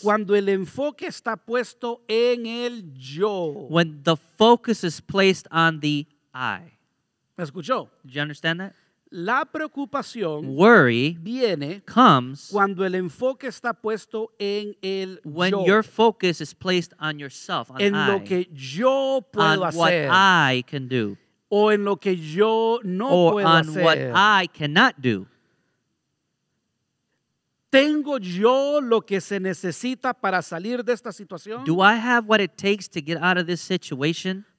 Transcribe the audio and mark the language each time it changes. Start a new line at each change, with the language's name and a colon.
Spanish: cuando el enfoque está puesto en el yo.
English: When the focus is placed on the I.
Spanish: ¿Me escuchó?
English: Did you understand that?
Spanish: La preocupación
English: worry
Spanish: viene
English: comes
Spanish: cuando el enfoque está puesto en el
English: when
Spanish: yo.
English: Your focus is placed on yourself, on
Spanish: en
English: I,
Spanish: lo que yo puedo
English: on
Spanish: hacer,
English: what I can do,
Spanish: o en lo que yo no
English: or
Spanish: puedo
English: on
Spanish: hacer.
English: What I cannot do.
Spanish: ¿Tengo yo lo que se necesita para salir de esta situación?
English: Do I have what it takes to get out of this situation?